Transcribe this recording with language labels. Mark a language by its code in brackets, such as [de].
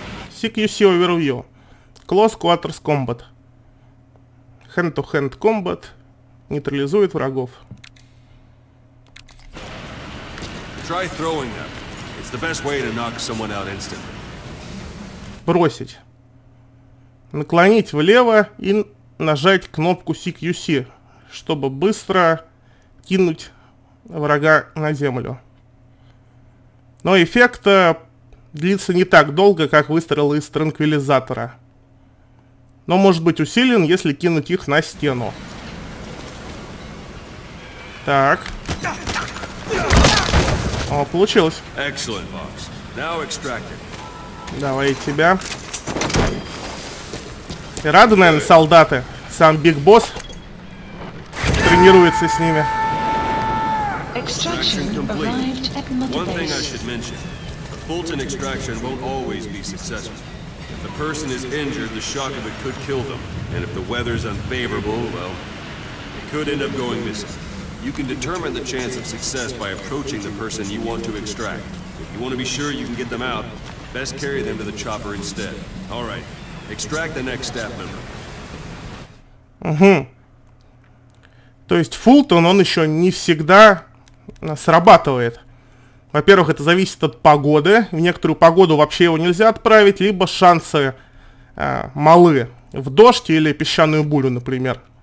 [en] CQC overview. Close quarters combat. Hand-to-hand combat. [ru] Нейтрализует врагов. [en] Try throwing them. It's the best way to knock someone out instantly. [ru] Бросить. наклонить влево и нажать кнопку CQC, чтобы быстро кинуть врага на землю. Но эффект длится не так долго, как выстрелы из транквилизатора. Но может быть усилен, если кинуть их на стену. Так. О, получилось. [en] Excellent, Vox. Now extracted. [ru] Давай тебя. И рады, наверное, солдаты. Сам Биг Босс тренируется с ними. [en] Extraction arrived at Mother Base. One thing I should mention. The Fulton extraction won't always be successful. If the person is injured, the shock of it could kill them. And if the weather's unfavorable, well, it could end up going missing. You can determine the chance of success by approaching the person you want to extract. If you want to be sure you can get them out, best carry them to the chopper instead. All right. Extract the next staff member. Mm-hmm. [ru] То есть Фултон, он еще не всегда срабатывает. Во-первых, это зависит от погоды. В некоторую погоду вообще его нельзя отправить, либо шансы малы. В дождь или песчаную бурю, например.